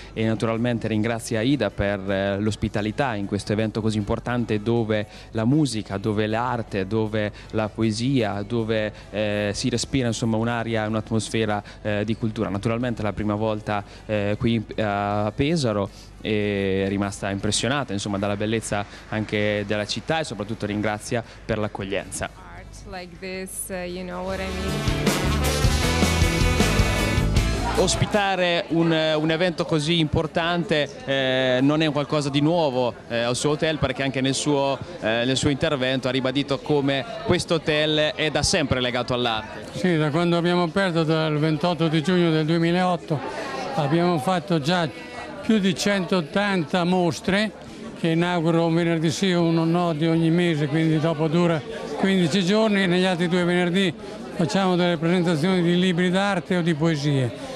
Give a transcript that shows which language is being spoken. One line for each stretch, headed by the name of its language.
Italian: E naturalmente ringrazio Aida per l'ospitalità in questo evento così importante dove la musica, dove l'arte, dove la poesia, dove si respira insomma un'aria, un'atmosfera di cultura. Naturalmente è la prima volta qui a Pesaro e è rimasta impressionata insomma dalla bellezza anche della città e soprattutto ringrazia per l'accoglienza.
English: Art like this, you know what I mean.
Italian: Ospitare un evento così importante non è qualcosa di nuovo al suo hotel, perché anche nel suo intervento ha ribadito come questo hotel è da sempre legato all'arte. Sì, da quando abbiamo aperto, dal 28 di giugno del 2008, abbiamo fatto già più di 180 mostre, che inauguro un venerdì sì o no di ogni mese, quindi dopo dura 15 giorni, e negli altri due venerdì facciamo delle presentazioni di libri d'arte o di poesie.